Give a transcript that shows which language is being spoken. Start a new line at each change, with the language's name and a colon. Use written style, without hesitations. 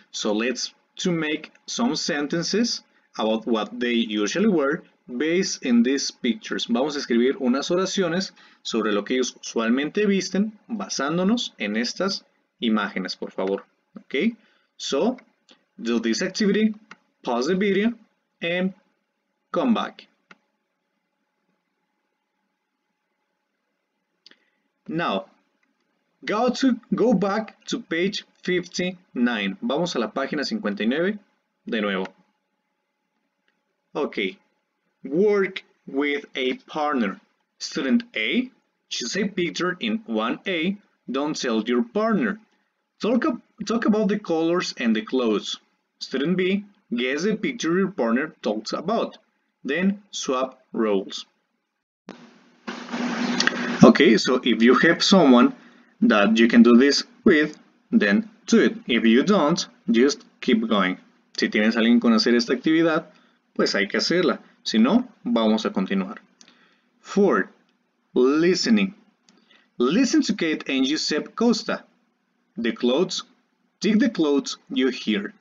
English: So let's to make some sentences about what they usually wear based in these pictures.
Spanish: Vamos a escribir unas oraciones sobre lo que ellos usualmente visten basándonos en estas imágenes, por favor, okay?
English: So, do this activity, pause the video, and come back. Now, go back to page 59.
Spanish: Vamos a la página 59 de nuevo. Okay.
English: Work with a partner. Student A, choose a picture in 1A. Don't tell your partner. Talk about the colors and the clothes. Student B, guess the picture your partner talks about. Then swap roles. Okay, so if you have someone that you can do this with, then do it. If you don't, just keep going.
Spanish: Si tienes alguien con hacer esta actividad, pues hay que hacerla. Si no, vamos a continuar. 4. Listening.
English: Listen to Kate and Giuseppe Costa. Take the clothes you hear.